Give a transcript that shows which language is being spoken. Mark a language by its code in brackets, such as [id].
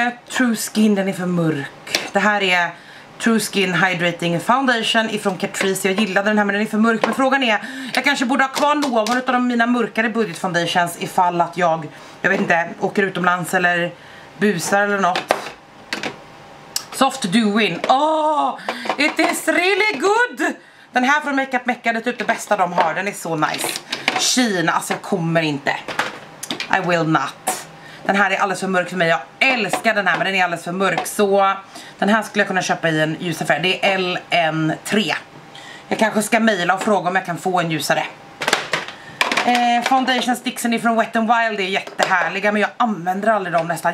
[sv] True Skin, den är för mörk. Det här är True Skin Hydrating Foundation ifrån Catrice. Jag gillade den här men den är för mörk. Men frågan är, jag kanske borde ha kvar någon av mina mörkare budget foundations ifall att jag vet inte, åker utomlands eller busar eller något. [en] Soft Dewing, oh, it is really good. [sv] Den här från Makeup Mecca är typ det bästa de har, den är så nice. Sheen, alltså jag kommer inte. [en] I will not. [sv] Den här är alldeles för mörk för mig. Jag älskar den här, men den är alldeles för mörk. Så den här skulle jag kunna köpa i en ljus affär. Det är LN3. Jag kanske ska mejla och fråga om jag kan få en ljusare. Foundation sticksen från Wet n Wild är jättehärliga, men jag använder aldrig dem nästan.